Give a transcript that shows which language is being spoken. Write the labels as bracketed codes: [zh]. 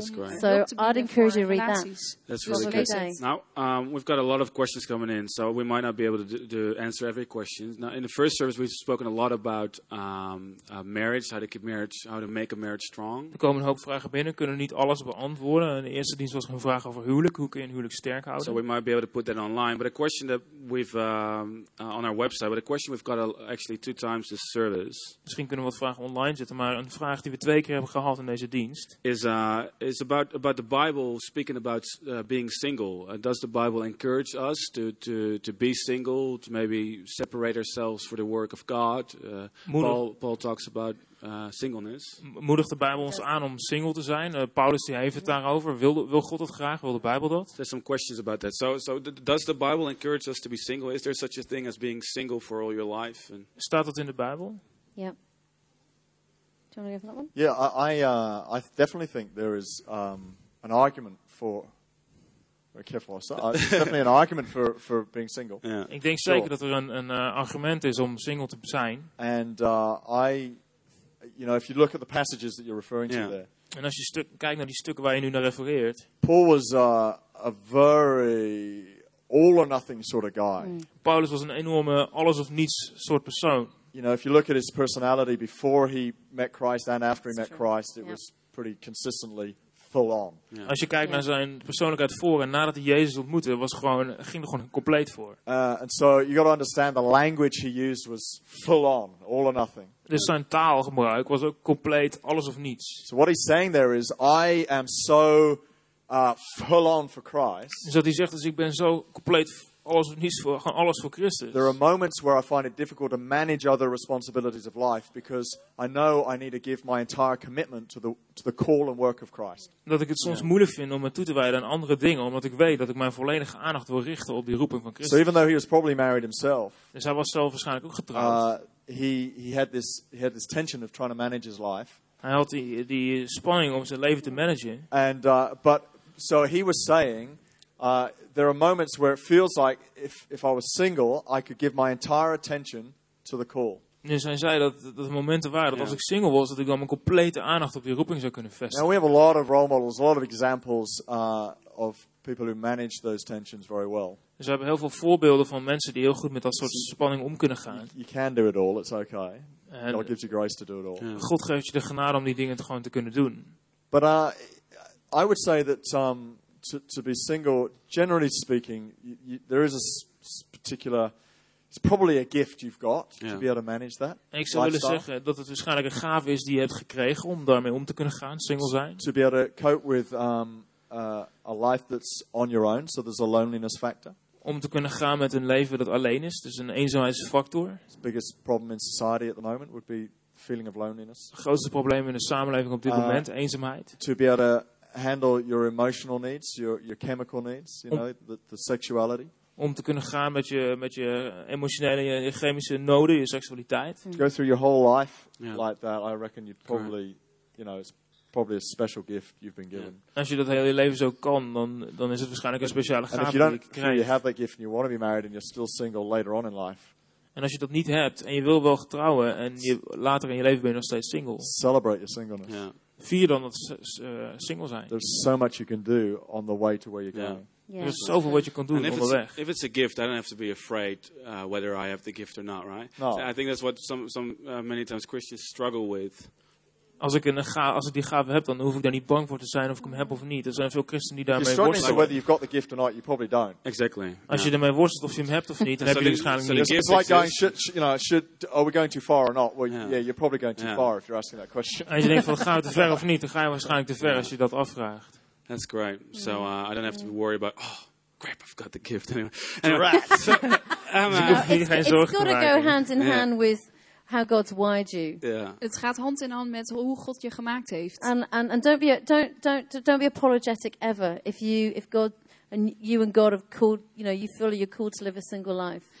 [en] so I'd encourage you to read that. That's really good. Now we've got a lot of questions coming in, so we might not be able to answer every question. Now in the first service we've spoken a lot about marriage, how to make a marriage strong. [nl] Er komen een hoop vragen binnen, kunnen niet alles beantwoorden. In de eerste dienst was een vraag over huwelijk. Hoe kun je een huwelijk sterk houden? [en] So we might be able to put that online. But a question that we've on our website. But a question we've got actually two times this service. [nl] Misschien kunnen we wat vragen online zetten, maar een vraag die we twee keer hebben gehad in deze dienst [en] is about the Bible speaking about being single. Does the Bible encourage us to be single, to maybe separate ourselves for the work of God? Paul talks about singleness. [nl] Moedigt de Bijbel ons aan om single te zijn? Paulus die heeft het daarover. Wil God dat graag? Wil de Bijbel dat? [en] There's some questions about that. So does the Bible encourage us to be single? Is there such a thing as being single for all your life? And [nl] staat dat in de Bijbel? Ja. Yeah. [en] Do you want to go for that one? Yeah, I definitely think there is an argument for. Very careful. So, definitely an argument for being single. Yeah. [nl] Ik denk zeker dat er een argument is om single te zijn. [en] And I. You know, if you look at the passages that you're referring to there. [nl] En als je kijkt naar die stukken waar je nu naar refereert. [en] Paul was a very all or nothing sort of guy. Mm. [nl] Paulus was een enorme alles of niets soort persoon. [en] You know, if you look at his personality before he met Christ and after he met Christ, it was pretty consistently full on. [nl] Yeah. Als je kijkt naar zijn persoonlijkheid voor en nadat hij Jezus ontmoette, ging er gewoon compleet voor. [en] And so you got to understand the language he used was full on, all or nothing. [nl] Dus zijn taalgebruik was ook compleet alles of niets. [en] So what he's saying there is, I am so full on for Christ. [nl] Dus wat hij zegt is, ik ben zo compleet alles of niets voor, gewoon alles voor Christus. [en] There are moments where I find it difficult to manage other responsibilities of life because I know I need to give my entire commitment to the call and work of Christ. [nl] Dat ik het soms moeilijk vind om me toe te wijden aan andere dingen, omdat ik weet dat ik mijn volledige aandacht wil richten op die roeping van Christus. [en] So even though he was probably married himself. [nl] Dus hij was zelf waarschijnlijk ook getrouwd. [en] He had this tension of trying to manage his life. [nl] Hij had die spanning om zijn leven te managen. [en] And but so he was saying, there are moments where it feels like if I was single, I could give my entire attention to the call. [nl] Dus hij zei dat er momenten waren dat als ik single was, dat ik dan mijn complete aandacht op die roeping zou kunnen vestigen. [en] Now we have a lot of role models, a lot of examples of people who manage those tensions very well. [nl] Dus we hebben heel veel voorbeelden van mensen die heel goed met dat soort spanning om kunnen gaan. [en] You can do it all, it's okay. And God gives you grace to do it all. [nl] God geeft je de genade om die dingen gewoon te kunnen doen. [en] But I would say that to be single, generally speaking, there is a particular, it's probably a gift you've got to be able to manage that. [nl] En ik zou willen zeggen dat het waarschijnlijk een gave is die je hebt gekregen om daarmee om te kunnen gaan, single zijn. [en] To be able to cope with a life that's on your own, so there's a loneliness factor. [nl] Om te kunnen gaan met een leven dat alleen is, dus een eenzaamheidsfactor. [en] The biggest problem in society at the moment would be feeling of loneliness. [nl] Het grootste probleem in de samenleving op dit moment, eenzaamheid. [en] To be able to handle your emotional needs, your chemical needs, the sexuality. [nl] Om te kunnen gaan met je emotionele en chemische noden, je seksualiteit. [en] To go through your whole life like that, I reckon you'd probably, it's probably a special gift you've been given. [nl] Als je dat heel je leven zo kan, dan is het waarschijnlijk een speciale gave die je krijgt. [en] If you have that gift and you want to be married and you're still single later on in life. [nl] En als je dat niet hebt en je wil wel getrouwen en je later in je leven ben je nog steeds single. [en] Celebrate your singleness. Yeah. [nl] Vier dan dat single zijn. [en] There's so much you can do on the way to where you're going. [nl] Yeah. Er is zoveel wat je kan doen onderweg. [en] If it's a gift, I don't have to be afraid whether I have the gift or not, right? No. I think that's what some many times Christians struggle with. [nl] Als ik die gave heb, dan hoef ik daar niet bang voor te zijn of ik hem heb of niet. Er zijn veel christenen die daarmee worstelen. [en] Whether you've got the gift or not, you probably don't. Exactly. [nl] Als je ermee worstelt of je hem hebt of niet, dan heb je het waarschijnlijk niet. [en] It's like going, are we going too far or not? Well, yeah, you're probably going too far if you're asking that question. [nl] Als je denkt van gaan we te ver of niet, dan ga je waarschijnlijk te ver als je dat afvraagt. [en] That's great. So I don't have to worry about. Oh, crap! I've got the gift anyway. Right. It's got to go hand in hand with. How God's wired you. Yeah. [nl] Het gaat hand in hand met hoe God je gemaakt heeft. [en] And don't be apologetic ever if God have called, you feel you're called to live a single life.